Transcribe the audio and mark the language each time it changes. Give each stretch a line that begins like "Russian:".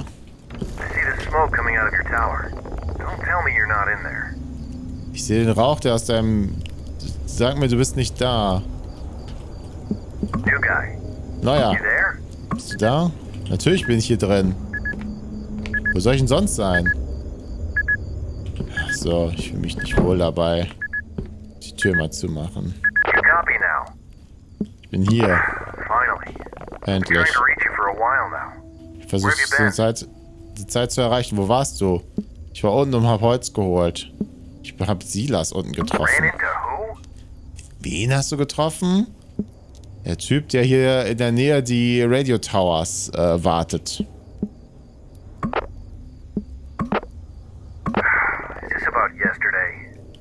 English: I see the smoke coming out of your tower. Don't tell me you're not in there.
German: Ich sehe den Rauch, der aus deinem... Sag mir, du bist nicht da.
English: New guy.
German: Naja.
English: You there?
German: Bist du da? Natürlich bin ich hier drin. Wo soll ich denn sonst sein? Ach so, ich fühle mich nicht wohl dabei, die Tür mal zu machen.
English: You copy now.
German: Ich bin hier.
English: Finally.
German: Endlich.
English: I'm trying to reach you for a while now.
German: Versuchst du die Zeit zu erreichen. Wo warst du? Ich war unten und hab Holz geholt. Ich hab Silas unten getroffen. Wen hast du getroffen? Der Typ, der hier in der Nähe die Radio Towers wartet.
English: Is this about yesterday?